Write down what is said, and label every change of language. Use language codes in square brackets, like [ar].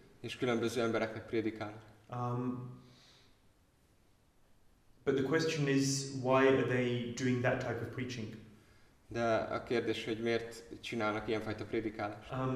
[hu] És különböző embereknek prédikál. [en] But the question is, why are they doing that type of preaching? [hu] De a kérdés, hogy miért csinálnak ilyenfajta prédikálást?